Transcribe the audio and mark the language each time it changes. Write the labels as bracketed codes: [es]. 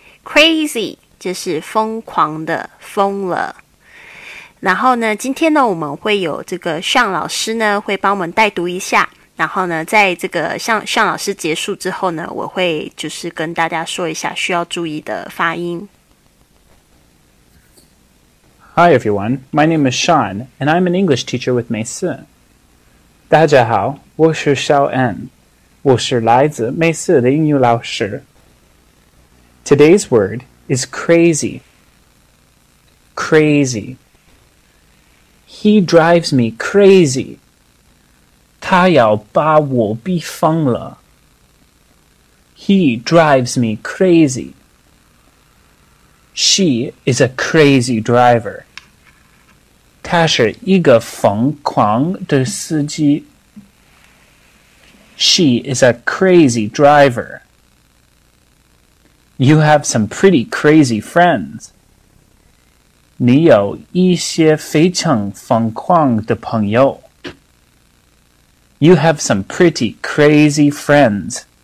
[zh] crazy 就是疯狂的，疯了。然后呢，今天呢，我们会有这个向老师呢会帮我们带读一下。然后呢，在这个向老师结束之后呢，我会就是跟大家说一下需要注意的发音。 [en] Hi everyone, my name is Sean, and I'm an English teacher with 美思。 [zh] 大家好，我是小恩，我是来自美思的英语老师。 [en] Today's word is crazy. Crazy. He drives me crazy. [zh] 他要把我逼疯了。 [en] He drives me crazy. She is a crazy driver. [zh] 她是一个疯狂的司机。 [en] She is a crazy driver. You have some pretty crazy friends. [zh] 你有一些非常疯狂的朋友。 [en] You have some pretty crazy friends.